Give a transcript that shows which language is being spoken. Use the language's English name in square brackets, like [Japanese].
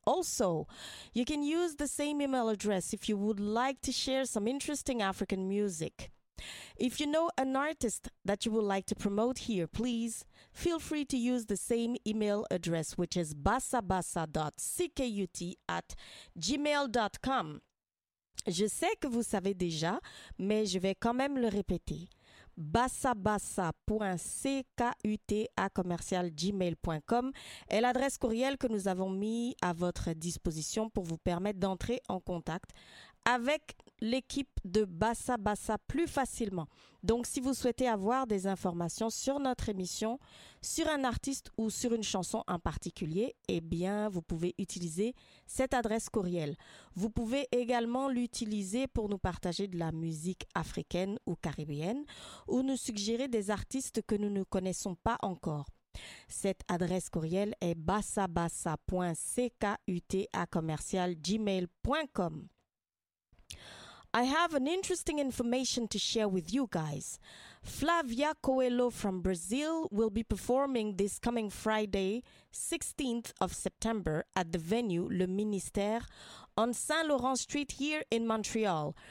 [English] Also, you can use the same email address if you would like to share some interesting African music. If you know an artist that you would like to promote here, please feel free to use the same email address, which is basabasa.ckut@gmail.com. [French] Je sais que vous savez déjà, mais je vais quand même le répéter. basabasa.ckut@gmail.com est l'adresse courriel que nous avons mis à votre disposition pour vous permettre d'entrer en contact avec l'équipe de Bassa Bassa plus facilement. Donc, si vous souhaitez avoir des informations sur notre émission, sur un artiste ou sur une chanson en particulier, eh bien, vous pouvez utiliser cette adresse courriel. Vous pouvez également l'utiliser pour nous partager de la musique africaine ou caribéenne ou nous suggérer des artistes que nous ne connaissons pas encore. Cette adresse courriel est basabasa.ckut@gmail.com. [English] I have an interesting information to share with you guys. Flavia Coelho from Brazil will be performing this coming Friday, 16th of September, at the venue Le Ministère on Saint Laurent Street here in Montreal.